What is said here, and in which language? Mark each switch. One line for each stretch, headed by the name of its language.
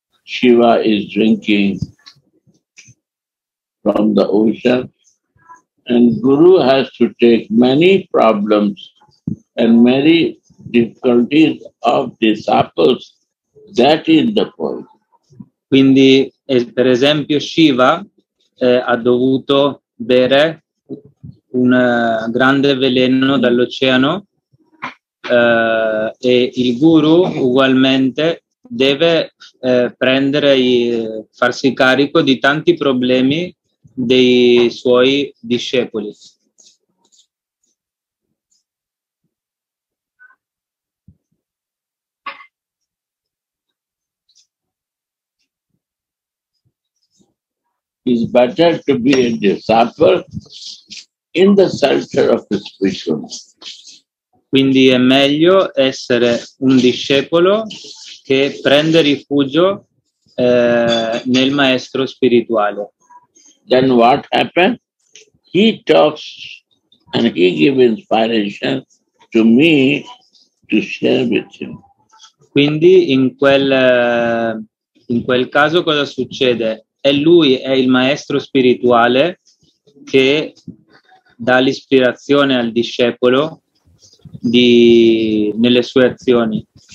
English: Shiva is drinking from the ocean, and Guru has to take many problems and many difficulties of disciples. That is the point.
Italian: Quindi, per esempio, Shiva ha dovuto bere un grande veleno dall'oceano, e il guru ugualmente deve prendere e farsi carico di tanti problemi dei suoi discepoli.
English: It's better to be a disciple in the shelter of the spiritual.
Italian: Quindi è meglio essere un discepolo che prende rifugio nel maestro spirituale.
English: Then what happened? He talks and he gives inspiration to me to share with him.
Italian: Quindi in quel caso cosa succede? È lui, è il maestro spirituale che dà l'ispirazione al discepolo nelle sue azioni.